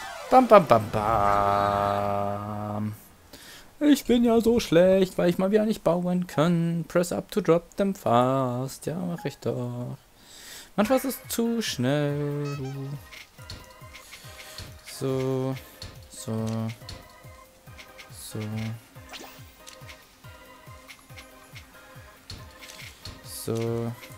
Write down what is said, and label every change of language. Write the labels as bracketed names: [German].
[German] Bam, bam, bam, bam. Ich bin ja so schlecht, weil ich mal wieder nicht bauen kann. [English] Press up to drop them fast. [German] Ja, mach ich doch. Manchmal ist es zu schnell. So. So. So. So.